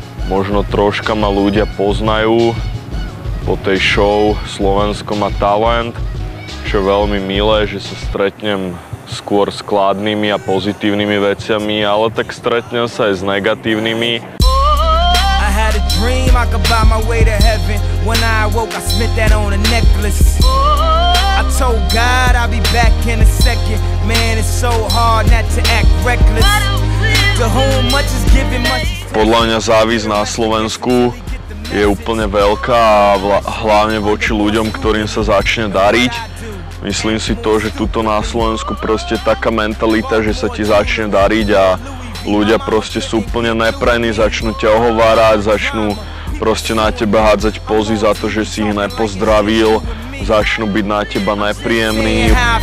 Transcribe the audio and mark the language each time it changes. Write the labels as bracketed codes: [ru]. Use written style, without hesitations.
[sk] Možno troška ma ľudia poznajú po tej show Slovensko má talent, čo je veľmi milé, že sa stretnem skôr s kladnými a pozitívnymi veciami, ale tak stretnem sa aj s negatívnymi. [en] Dream, I could buy my way to heaven. When I awoke, I smit that on a necklace. I told God I'll be back in a second. Man, it's so hard not to act reckless. To whom much is given, much is taken. [sk] Podľa mňa závisť na Slovensku je úplne veľká a hlavne voči ľuďom, ktorým sa začne dariť. Myslím si to, že tuto na Slovensku proste taká mentalita, že sa ti začne dariť a ľudia proste sú úplne neprajní, začnú ťa ohovárať, začnú proste na teba hádzať pozy za to, že si ich nepozdravil, začnú byť na teba nepríjemní.